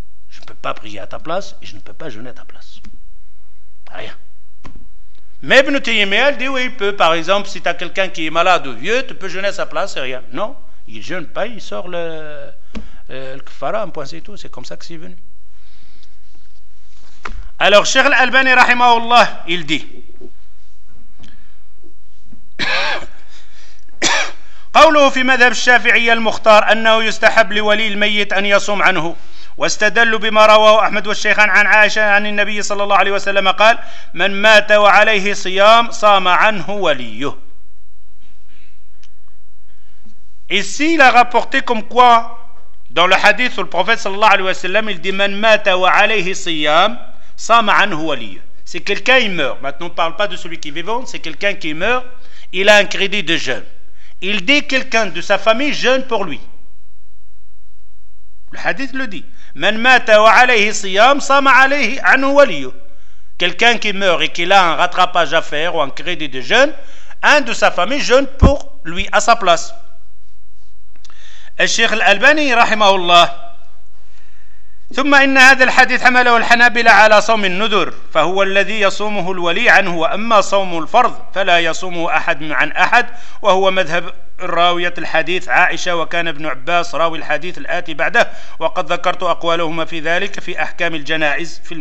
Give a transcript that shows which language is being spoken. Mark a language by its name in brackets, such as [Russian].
[French] Je ne peux pas prier à ta place et je ne peux pas jeûner à ta place. Rien. Mais Ibn Taymiyyah dit oui, il peut. Par exemple, si tu as quelqu'un qui est malade ou vieux, tu peux jeûner à sa place, c'est rien. Non, il ne jeûne pas, il sort le kfara, un point, c'est tout. C'est comme ça que c'est venu. Alors, Cheikh Al-Albani, rahimahullah, il dit [Arabic] قوله في مذهب الشافعي المختار أنه يستحب لولي الميت أن يصوم عنه واستدلوا بما رواه أحمد والشيخان عن عائشة عن النبي صلى الله عليه وسلم قال من مات وعليه صيام صام عنه وليه. [French] Ici il a rapporté comme quoi dans le hadith où le prophète صلى الله عليه وسلم il dit [Arabic] من مات وعليه صيام صام عنه وليه. [French] C'est quelqu'un qui meurt. Maintenant on ne parle pas de celui qui est vivant. C'est quelqu'un qui meurt. Il a un crédit de jeûne. Il dit quelqu'un de sa famille jeûne pour lui. Le hadith le dit. [Arabic] Man mata wa alayhi siyam sama alayhi anhu waliyuh. [French] Quelqu'un qui meurt et qui a un rattrapage à faire ou un crédit de jeûne, un de sa famille jeûne pour lui à sa place. [Arabic] Al-Sheikh Al-Albani, rahimahullah, ثم إن هذا الحديث حمله الحنابلة على صوم النذر، فهو الذي يصومه الولي عنه، وأما صوم الفرض فلا يصومه أحد عن أحد، وهو مذهب راوية الحديث عائشة، وكان ابن عباس راوي الحديث الآتي بعده، وقد ذكرت أقوالهما في ذلك في أحكام الجنائز